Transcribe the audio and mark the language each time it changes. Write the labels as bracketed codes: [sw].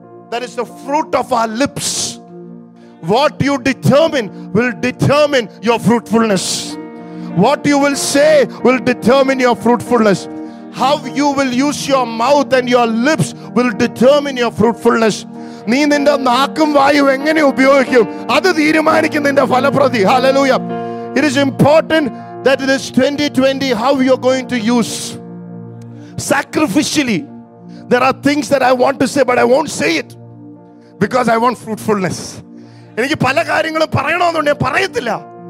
[en] That is the fruit of our lips. What you determine will determine your fruitfulness. What you will say will determine your fruitfulness. How you will use your mouth and your lips will determine your fruitfulness. [ml] നീ നിന്റെ നാക്കും വായും എങ്ങനെ ഉപയോഗിക്കും അത് തീരുമാനിക്കും നിന്റെ ഫലപ്രദി. [en] Hallelujah. It is important that it is 2020 how you are going to use sacrificially. There are things that I want to say, but I won't say it because I want fruitfulness. [ml] എനിക്ക് പല കാര്യങ്ങളും പറയണമെന്നുണ്ട്, ഞാൻ പറയത്തില്ല.